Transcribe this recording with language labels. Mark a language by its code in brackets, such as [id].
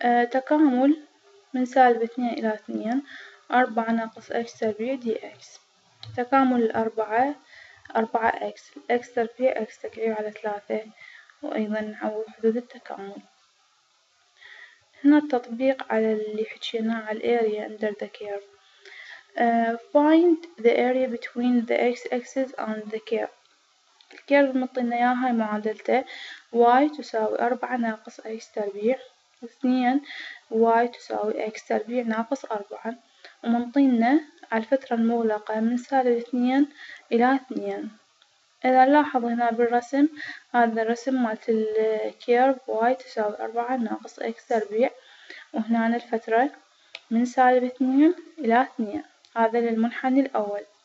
[ar] تكامل من سالب اثنين إلى اثنين أربعة ناقص x تربيع دي x، تكامل الأربعة أربعة x، x تربيع x تكعيب على ثلاثة، وأيضا نعوض حدود التكامل. هنا التطبيق على اللي حكيناه على [en] area under the curve. Find the area between the x axis and the curve. [ar] الكيرف مطينا إياها هاي معادلته y تساوي أربعة ناقص x تربيع اثنين y تساوي x تربيع ناقص أربعة، ومنطينا على الفترة المغلقة من سالب اثنين إلى اثنين. إذا لاحظ هنا بالرسم، هذا الرسم مال الكيرف y تساوي أربعة ناقص x تربيع، وهنا الفترة من سالب اثنين إلى اثنين، هذا للمنحني الأول.